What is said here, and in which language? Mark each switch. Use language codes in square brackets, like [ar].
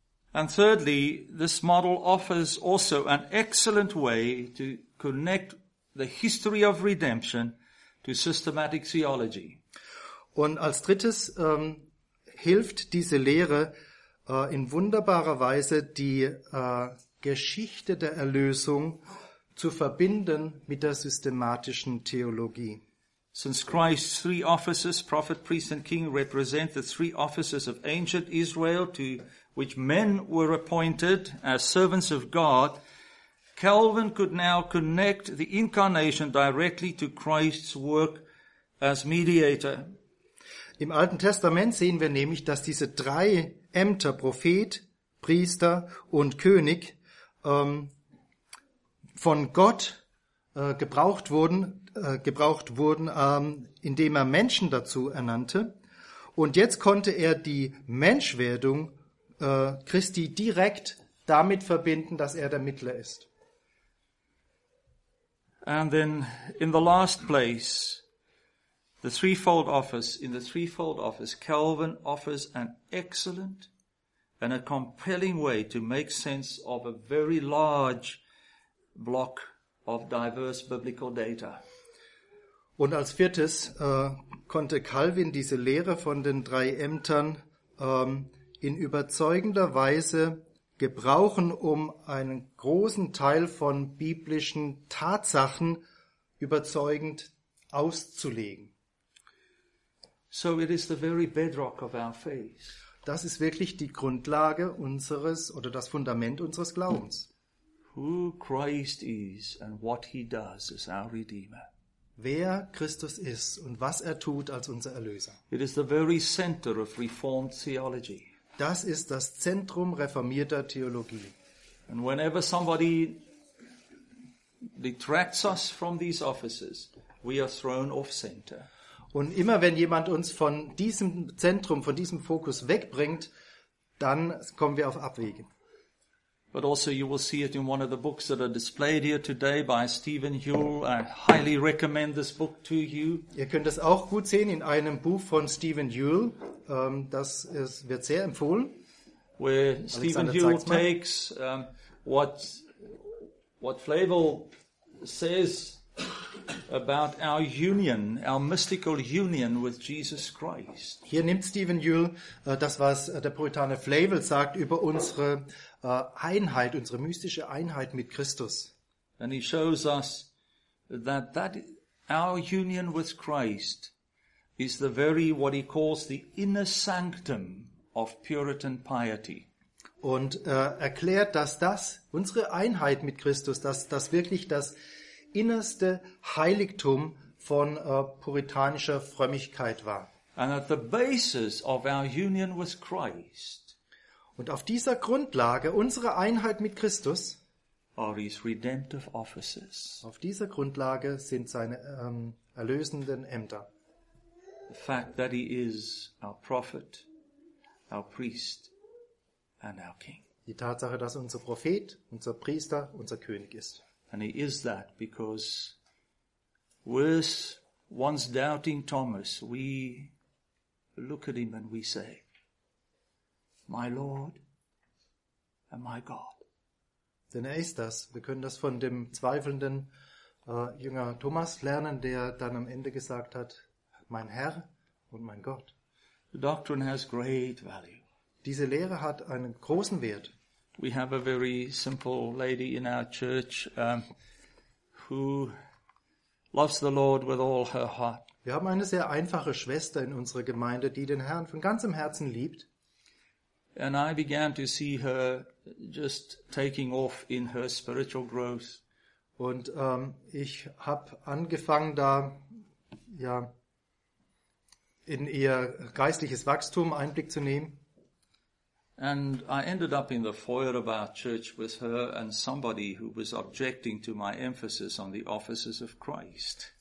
[en] And thirdly, this model offers also an excellent way to connect the history of redemption to systematic theology. [de] Und als drittes hilft diese Lehre in wunderbarer Weise die Geschichte der Erlösung zu verbinden mit der systematischen Theologie. [en] Since Christ's three offices, prophet, priest and king, represent the three offices of ancient Israel to which men were appointed as servants of God, Calvin could now connect the incarnation directly to Christ's work as mediator. [de] Im Alten Testament sehen wir nämlich, dass diese drei Ämter, Prophet, Priester und König, von Gott gebraucht wurden, indem er Menschen dazu ernannte. Und jetzt konnte er die Menschwerdung Christi direkt damit verbinden, dass er der Mittler ist. [en] And then in the last place, in the threefold office, Calvin offers an excellent and a compelling way to make sense of a very large block of diverse biblical data. [de] Und als viertes konnte Calvin diese Lehre von den drei Ämtern in überzeugender Weise gebrauchen, um einen großen Teil von biblischen Tatsachen überzeugend auszulegen. [en] So it is the very bedrock of our faith. [de] Das ist wirklich die Grundlage unseres oder das Fundament unseres Glaubens. [en] Who Christ is and what he does is our Redeemer. [de] Wer Christus ist und was er tut als unser Erlöser. [en] It is the very center of Reformed theology. [de] Das ist das Zentrum reformierter Theologie. [en] And whenever somebody detracts us from these offices, we are thrown off center. [de] Und immer wenn jemand uns von diesem Zentrum, von diesem Fokus wegbringt, dann kommen wir auf Abwege. [en] But also you will see it in one of the books that are displayed here today by Stephen Huell. I highly recommend this book to you. [de] Ihr könnt es auch gut sehen in einem Buch von Stephen Huell. Das wird sehr empfohlen. [en] Where Stephen Huell takes what Flavel says about our union, our mystical union with Jesus Christ. [de] Hier nimmt Stephen Huell das, was der Puritaner Flavel sagt über unsere Einheit, unsere mystische Einheit mit Christus. [en] And he shows us that our union with Christ is the very, what he calls the inner sanctum of Puritan piety. [de] Und erklärt, dass das, unsere Einheit mit Christus, dass das wirklich das innerste Heiligtum von puritanischer Frömmigkeit war. [en] And at the basis of our union with Christ. [de] Und auf dieser Grundlage, unsere Einheit mit Christus, [en] are his redemptive offices. [de] Auf dieser Grundlage sind seine erlösenden Ämter. [en] The fact that he is our prophet, our priest and our king. [de] Die Tatsache, dass unser Prophet, unser Priester, unser König ist. [en] And he is that because with once doubting Thomas, we look at him and we say, my Lord and my God. [de] Denn er ist das. Wir können das von dem zweifelnden Jünger Thomas lernen, der dann am Ende gesagt hat, mein Herr und mein Gott. [en] The doctrine has great value. [de] Diese Lehre hat einen großen Wert. [en] We have a very simple lady in our church who loves the Lord with all her heart. [de] Wir haben eine sehr einfache Schwester in unserer Gemeinde, die den Herrn von ganzem Herzen liebt. [en] And I began to see her just taking off in her spiritual growth. [de] Und ich habe angefangen, da ja in ihr geistliches Wachstum Einblick zu nehmen. [en] And I ended up in the foyer of our church with her and somebody who was objecting to my emphasis on the offices of Christ.